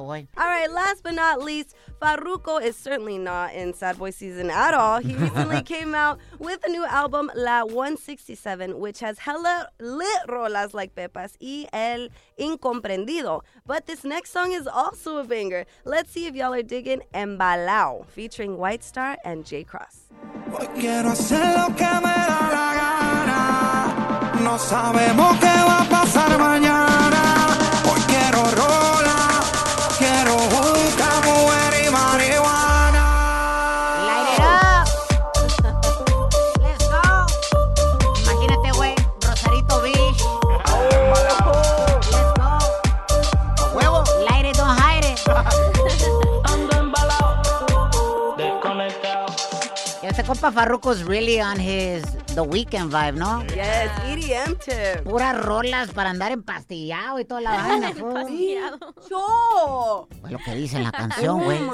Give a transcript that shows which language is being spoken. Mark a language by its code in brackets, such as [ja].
[en] All right, last but not least, Farruko is certainly not in Sad Boy season at all. He recently came out with a new album, La 167, which has hella lit rolas like Pepas y El Incomprendido. But this next song is also a banger. Let's see if y'all are digging Embalao, featuring White Star and J Cross. [es] Hoy quiero hacer lo que me da la gana. No sabemos qué va a pasar mañana. Hoy quiero rola, quiero juca, mujer y marihuana. [en] Light it up. Let's go. [es] Imagínate, güey, Rosarito Beach. [en] Let's go. [es] A huevo. [en] Light it, don't hide it. [es] Ando embalado, desconectado. Este compa [en] Farruko's really on his The Weeknd vibe, ¿no? Yes, EDM tip. [es] Puras rolas para andar empastillado y toda la vaina. ¡Empastillado! ¡Yo! Es lo que dice en la canción, güey.